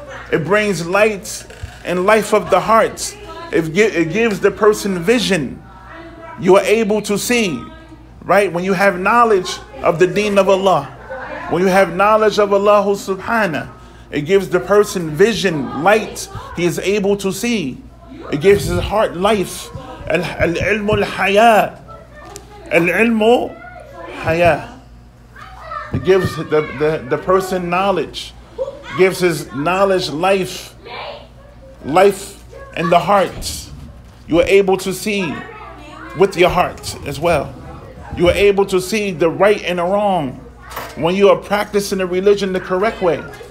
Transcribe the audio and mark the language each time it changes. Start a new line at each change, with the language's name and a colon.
English: It brings light and life of the heart. It gives the person vision. You are able to see, right? When you have knowledge of the deen of Allah, when you have knowledge of Allah subhanahu, it gives the person vision, light. He is able to see. It gives his heart life.
Arabic: العلم الحياة العلم حياة.
English: It gives the person knowledge, gives his knowledge life in the heart. You are able to see with your heart as well. You are able to see the right and the wrong when you are practicing the religion the correct way.